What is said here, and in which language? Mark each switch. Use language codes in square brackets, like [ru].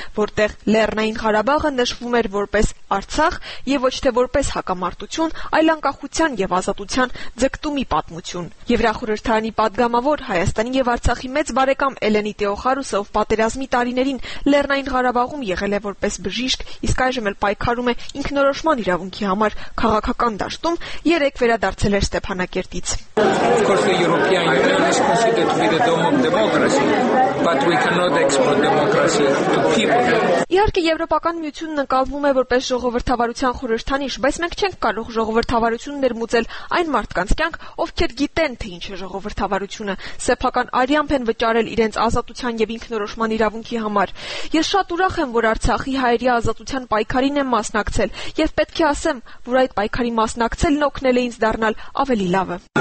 [hy] որտեղ Լեռնային Ղարաբաղը նշվում էր որպես Արցախ և ոչ թե որպես հակամարտություն, այլ անկախության և ազատության ձգտումի պատմություն։ Եվրախորհրդարանի պատգամավոր Հայաստանի և Արցախի մեծ բարեկամ Էլենի Տեոխարուսը պատերազմի տարիներին Լեռնային Ղարաբաղում եղել է որպես բժիշկ, իսկ այժմ էլ պայքարում է ինքնորոշման իրավունքի համար քաղաքական դաշտում, երեկ վերադարձել էր Ստեփանակերտից։ [en] that with the democracy, but we cannot export democracy to people. [hy] Իհարկե եվրոպական միությունն ընկալվում է որպես ժողովրդավարության խորհրդանիշ, բայց մենք չենք կարող ժողովրդավարություն ներմուծել այն մարդկանց կյանք, ովքեր գիտեն թե ինչ է ժողովրդավարությունը, սեփական արիամբ են վճարել իրենց ազատության եւ ինքնորոշման իրավունքի համար։ Ես շատ ուրախ եմ, որ Արցախի հայերի ազատության պայքարին եմ մասնակցել, եւ պետք է ասեմ, որ այդ պայքարի մասնակցելն օգնել է ինձ դառնալ ավելի լավը։